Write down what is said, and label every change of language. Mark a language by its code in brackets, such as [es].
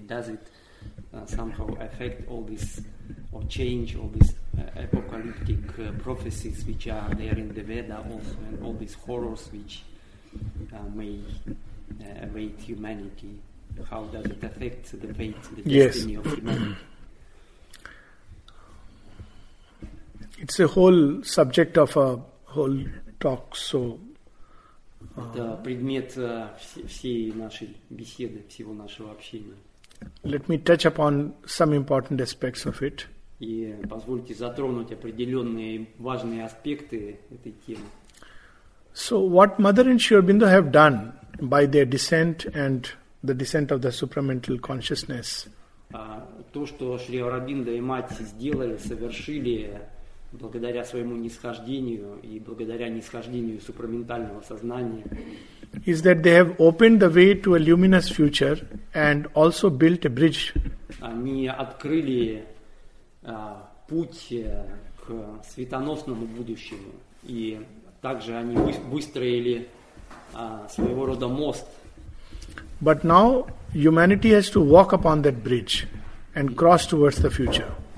[en] Does it somehow affect all this or change all these apocalyptic prophecies which are there in the Veda also, and all these horrors which may await humanity? How does it affect the fate, the destiny yes. of humanity? It's a whole subject of a whole talk, so... [ru] Это предмет всей нашей беседы, всего нашего общения. [en] Let me touch upon some important aspects of it. [ru] И позвольте затронуть определенные важные аспекты этой темы. [en] So what Mother and Sri Aurobindo have done by their descent and the descent of the supramental consciousness? [ru] То, что Шри Аурабинда и Мать сделали, совершили... благодаря своему нисхождению и благодаря нисхождению супраментального сознания, [en] is that they have opened the way to a luminous future and also built a bridge. [ru] Они открыли путь к светоносному будущему, и также они выстроили своего рода мост. [en] But now humanity has to walk upon that bridge and cross towards the future.